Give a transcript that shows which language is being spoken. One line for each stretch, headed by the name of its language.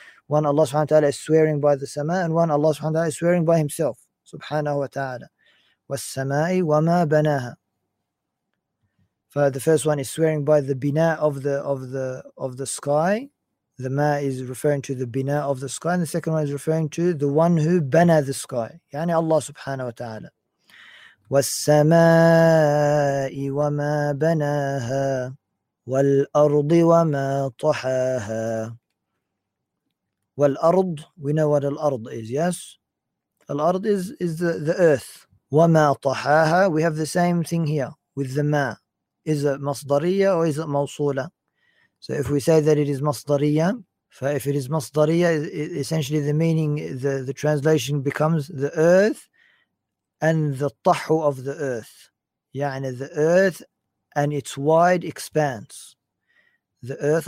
English: One Allah subhanahu wa ta'ala is swearing by the sama, and one Allah subhanahu wa ta'ala is swearing by himself. Subhanahu wa ta'ala.
Arabic: Was-sama'i wa ma banaha.
English: For the first one is swearing by the bina of the sky. The ma is referring to the bina of the sky. And the second one is referring to the one who bana the sky.
Arabic: Yani Allah subhanahu wa ta'ala. والسماء وما بناها والأرض وما طحاها والأرض.
English: We know what الأرض is. Yes, الأرض is the earth.
Arabic: وما طحاها.
English: We have the same thing here with the ما. Is it مصدرية or is it موصولة? So if we say that it is مصدرية, if it is مصدرية, essentially the meaning, the translation becomes the earth and the tahu of the earth. Ya'ani the earth and its wide expanse. the earth.